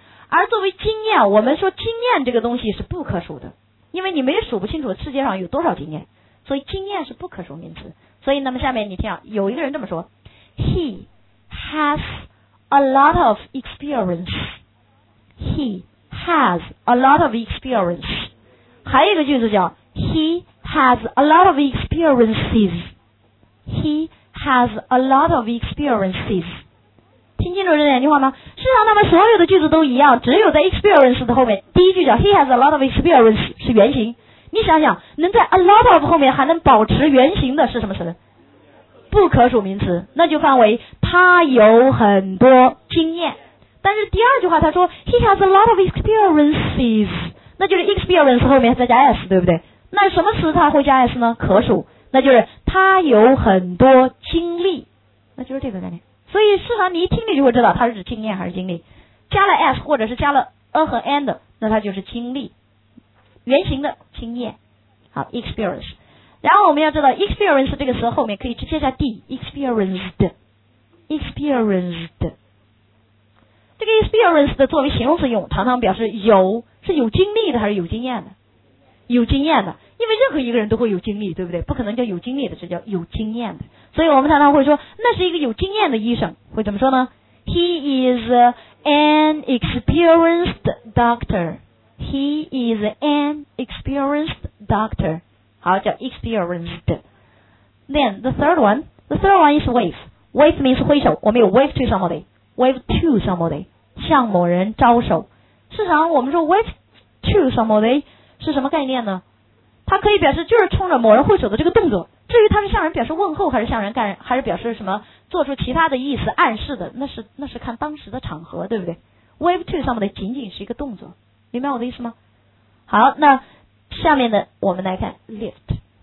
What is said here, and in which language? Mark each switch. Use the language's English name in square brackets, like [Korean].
[Chinese] 而作为经验，我们说经验这个东西是不可数的，因为你没数不清楚世界上有多少经验，所以经验是不可数名词。所以那么下面你听，有一个人这么说， [English] He has a lot of experience。 He has a lot of experience。 [Chinese] 还有一个句子叫 [English] He has a lot of experiences。 He has a lot of experiences。 [Chinese] 听清楚这两句话吗？事实上他们所有的句子都一样，只有在 experience 的后面，第一句叫 [English] He has a lot of experience [Chinese] 是原型。你想想能在 a lot of 后面还能保持原型的是什么词？不可数名词，那就范围他有很多经验。但是第二句话他说 [English] He has a lot of experiences， [Chinese] 那就是 experience 后面再加 s， 对不对？那什么词他会加 s 呢？可数，那就是他有很多经历，那就是这个概念。所以事实上你一听你就会知道他是指经验还是经历，加了 s 或者是加了 a 和 and， 那他就是经历原型的经验。好， experience。然后我们要知道 experience 这个词后面可以直接加 d， experienced， experienced。这个 experience 的作为形容词用，常常表示有，是有经历的还是有经验的？有经验的，因为任何一个人都会有经历，对不对？不可能叫有经历的，是叫有经验的。所以我们常常会说，那是一个有经验的医生，会怎么说呢？ [English] He is an experienced doctor。 He is an experienced doctor。 [Chinese] 好，叫 experienced。 [English] Then the third one， the third one is wave。 Wave means [Chinese] 挥手，我们有 [English] wave to somebody，Wave to somebody， [Chinese] 向某人招手。事实上我们说 wave to somebody 是什么概念呢？它可以表示就是冲着某人挥手的这个动作，至于它是向人表示问候，还是向人干，还是表示什么做出其他的意思暗示的，那是看当时的场合，对不对？ wave to somebody 仅仅是一个动作，明白我的意思吗？好，那下面的我们来看 lift。